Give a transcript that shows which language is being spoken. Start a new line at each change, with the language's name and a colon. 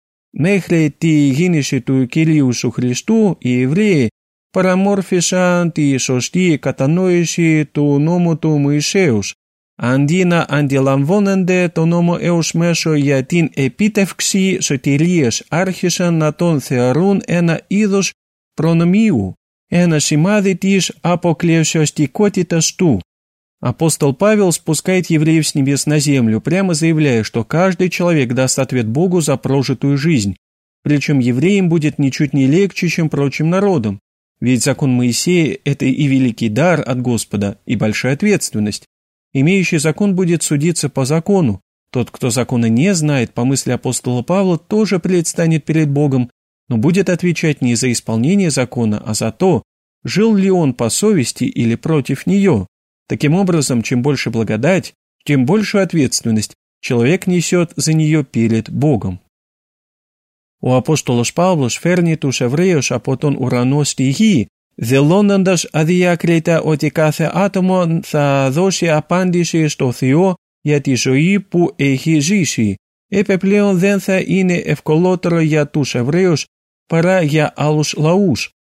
Greek: Μέχρι τη γίνηση του Κυρίου Ιησού Χριστού, οι Εβραίοι παραμόρφησαν τη σωστή κατανόηση του νόμου του Μωυσέως. Αντί να αντιλαμβάνονται τον νόμο έως μέσο για την επίτευξη σωτηρίας, άρχισαν να τον θεωρούν ένα είδος προνομίου, ένα σημάδι της αποκλειστικότητας του.
Russian: Апостол Павел спускает евреев с небес на землю, прямо заявляя, что каждый человек даст ответ Богу за прожитую жизнь. Причем евреям будет ничуть не легче, чем прочим народам. Ведь закон Моисея – это и великий дар от Господа, и большая ответственность. Имеющий закон будет судиться по закону. Тот, кто закона не знает, по мысли апостола Павла, тоже предстанет перед Богом, но будет отвечать не за исполнение закона, а за то, жил ли он по совести или против нее. Таким образом, чем больше благодать, тем большую ответственность человек несет за нее перед Богом.
Greek: Ο Απόστολος Παύλος φέρνει τους Εβραίους από τον ουρανό στη γη, δηλώνοντας αδιάκριτα ότι κάθε άτομο θα δώσει απάντηση στο Θεό για τη ζωή που έχει ζήσει. Επιπλέον δεν θα είναι ευκολότερο για τους Εβραίους παρά για άλλους λαούς.